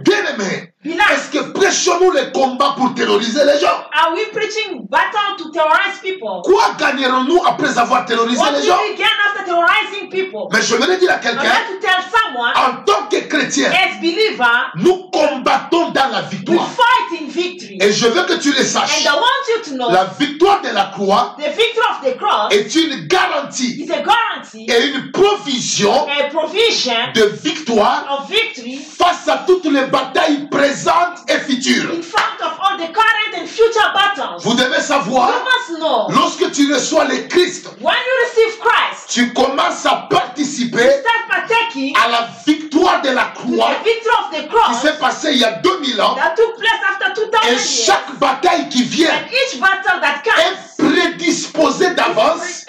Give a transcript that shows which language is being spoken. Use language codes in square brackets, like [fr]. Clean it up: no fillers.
[fr] Bien-aimé, est-ce que prêchons-nous les combats pour terroriser les gens? [en] Are we preaching battle to terrorize people? [fr] Quoi gagnerons-nous après avoir terrorisé [en] what [fr] les gens? [en] What do we gain after terrorizing people? [fr] Mais je voudrais dire à quelqu'un. [en] I'm going to tell someone. [fr] En tant que chrétien, [en] as believer, [fr] nous combattons dans la victoire. [en] We fight in victory. [fr] Et je veux que tu le saches. [en] And I want you to know. [fr] La victoire de la croix. [en] The victory of the cross. [fr] Est une garantie. [en] Is a guarantee. [fr] Et une provision. [en] A provision. [fr] De victoire. [en] Of victory. [fr] Face à toutes les batailles présentes. Et futur. [en] In front of all the current and future battles. [fr] Vous devez savoir. [en] You must know. [fr] Lorsque tu reçois le Christ. [en] When you receive Christ. [fr] Tu commences à participer. [en] You start partaking. [fr] À la victoire de la croix. [en] To the victory of the cross. [fr] Qui s'est passé il y a 2000 ans. [en] That took place after 2000 years. [fr] Et chaque bataille qui vient. [en] And each battle that comes. [fr] Est prédisposé d'avance.